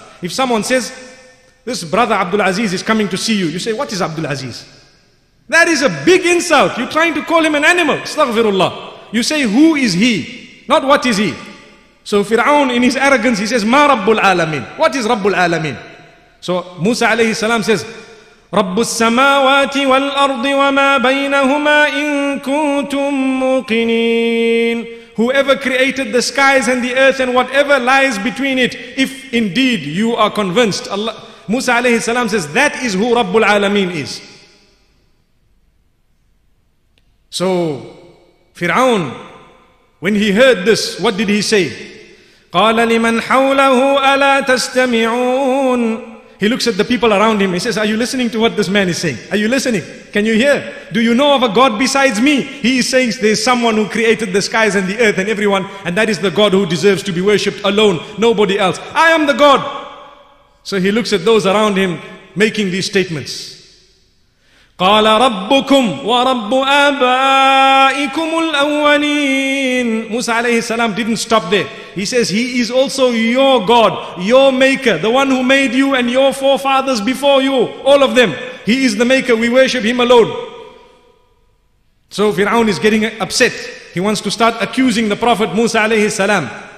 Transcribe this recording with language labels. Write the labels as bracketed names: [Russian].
[English] If someone says, this brother Abdul Aziz is coming to see you, you say, what is Abdul Aziz? That is a big insult. You're trying to call him an animal. Astaghfirullah. You say, who is he? Not what is he? So Fir'aun, in his arrogance, he says, Ma Rabbul Alameen. What is Rabbul Alameen? So Musa alayhi salam says, [Arabic] رب السماوات والأرض وما بينهما إن كنتم موقنين. [English] Whoever created the skies and the earth and whatever lies between it, if indeed you are convinced, Allah, Musa alayhi salam says, that is who رب العالمين is. So Fir'aun, when he heard this, what did he say? [Arabic] قال لمن حوله ألا تستمعون. [English] He looks at the people around him. He says, are you listening to what this man is saying? Are you listening? Can you hear? Do you know of a God besides me? He is saying there is someone who created the skies and the earth and everyone, and that is the God who deserves to be worshipped alone, nobody else. I am the God. So he looks at those around him making these statements. [Arabic] قال ربكم ورب آبائكم الأولين. [English] Musa alayhi salam didn't stop there. He says, he is also your God, your maker, the one who made you and your forefathers before you, all of them. He is the maker, we worship him alone. So Fir'aun is getting upset. He wants to start accusing the Prophet Musa alayhi salam.